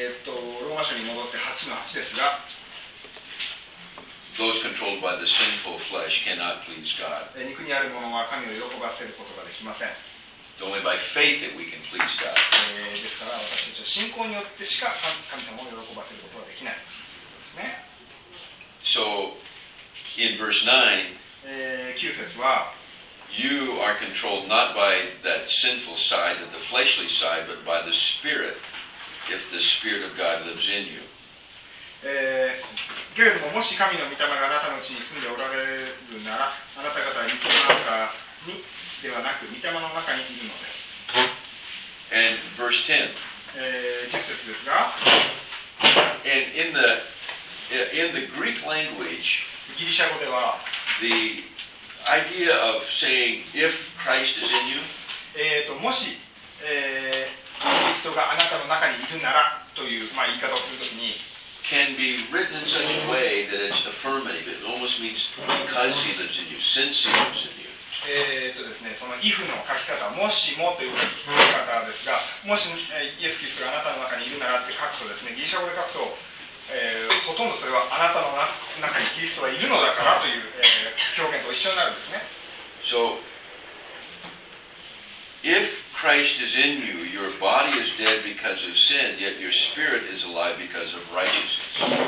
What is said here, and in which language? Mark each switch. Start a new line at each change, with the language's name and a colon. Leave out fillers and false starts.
Japanese: ローマ書に戻って8の8ですが、
English: Those controlled by the sinful flesh cannot please God.
Japanese: 肉にあるものは神を喜ばせることができません。
English: It's only by faith that we can please God.
Japanese: ですから私たちは信仰によってしか神様を喜ばせることはできないということですね。
English: So, in verse
Japanese: 9, 9節は、
English: You are controlled not by that sinful side, the fleshly side, but by the Spirit, if the Spirit of God lives in you.
Japanese: けれども、もし神の御霊があなたのうちに住んでおられるなら、あなた方は御霊の中にではなく御霊の中にいるのです。
English: And verse 10、
Japanese: 10節ですが、
English: And in the Greek language、
Japanese: ギリシャ語では、
English: The idea of saying if Christ is in you、
Japanese: もし、キリストがあなたの中にいるならという、まあ、言い方をするときに
English: can be written in such a way that it's affirmative. It almost means because he lives in you, since he lives in you.
Japanese: ですね、その if の書き方、もしもという書き方ですが、もしイエス・キリストがあなたの中にいるならって書くとですね、ギリシャ語で書くと、ほとんどそれはあなたの中にキリストはいるのだからという、表現と一緒になるんですね。
English: So, if Christ is in you, your body is dead because of sin, yet your spirit is alive because of righteousness.